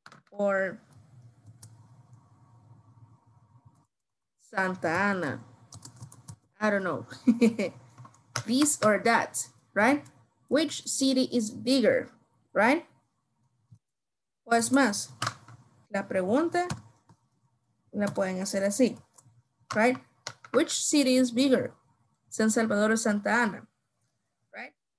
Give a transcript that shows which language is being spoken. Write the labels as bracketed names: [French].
[English] Or Santa Ana, I don't know, this or that, right? Which city is bigger, right? [Spanish] Pues más, la pregunta la pueden hacer así, right? [English] Which city is bigger, San Salvador or Santa Ana, right?